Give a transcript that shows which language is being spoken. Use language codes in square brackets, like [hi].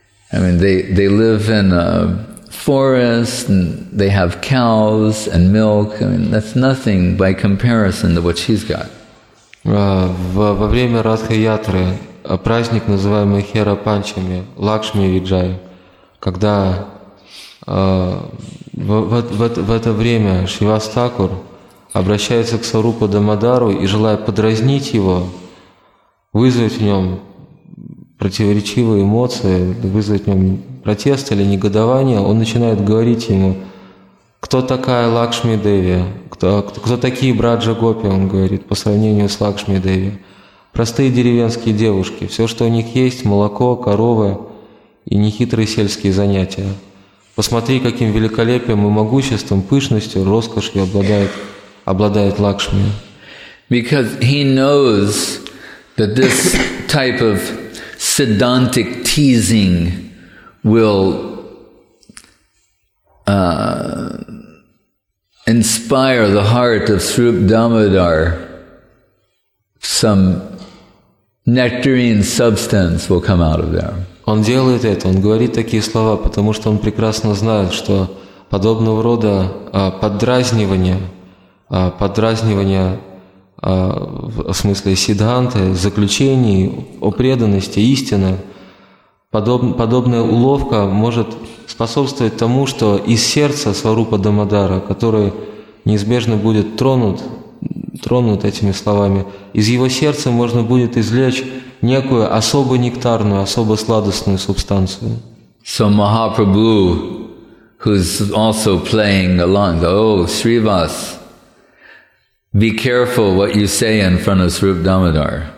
[en] They live in a forest, and they have cows and milk. I mean, that's nothing by comparison to what she's got. [ru] Во время Радха-ятры, праздник, называемый Хера Панчами, Лакшми Виджай, когда в это время Шривас Такур обращается к Сварупу Дамодару и, желая подразнить его, вызвать в нем противоречивые эмоции, вызвать в нем протест или негодование, он начинает говорить ему, кто такая Лакшми Деви, кто такие Браджа Гопи, он говорит, по сравнению с Лакшми Деви. Простые деревенские девушки. Все, что у них есть, молоко, коровы и нехитрые сельские занятия. Посмотри, каким великолепием и могуществом, пышностью, роскошью обладает Лакшми. [en] Because he knows that this type of sedantic teasing will inspire the heart of Swarup Damodar some nectarine substance will come out of there. [ru] Он делает это, он говорит такие слова, потому что он прекрасно знает, что подобного рода подразнивание в смысле сиддханты, заключений о преданности, истины, подобная уловка может способствовать тому, что из сердца Сварупа Дамодара, который неизбежно будет тронут этими словами, из его сердца можно будет извлечь некую особо нектарную, особо сладостную субстанцию. [en] So Mahaprabhu, who's also playing along, Shrivas, be careful what you say in front of Swarup Damodar.